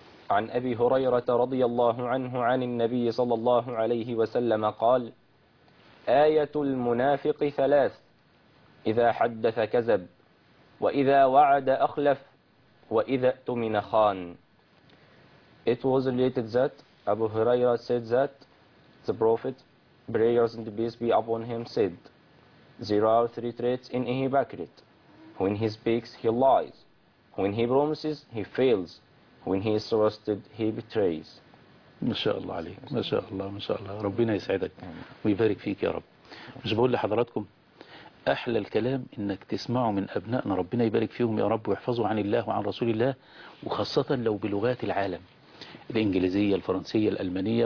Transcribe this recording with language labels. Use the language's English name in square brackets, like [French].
[Arabic] عن أبي هريرة رضي الله عنه عن النبي صلى الله عليه وسلم قال: آية المنافق ثلاث، إذا حدث كذب، وإذا وعد أخلف، وإذا اؤتمن خان. [English] It was related that Abu Huraira said that the Prophet, prayers and peace be upon him, said, there are three traits in a hypocrite: when he speaks, he lies; when he promises, he fails; when he is trusted, he betrays. [Arabic] ما شاء الله عليك، ما شاء الله، ما شاء الله، ربنا يسعدك ويبارك فيك يا رب. مش بقول لحضراتكم أحلى الكلام إنك تسمعه من أبنائنا، ربنا يبارك فيهم يا رب ويحفظوا عن الله وعن رسول الله، وخاصة لو بلغات العالم الإنجليزية الفرنسية الألمانية.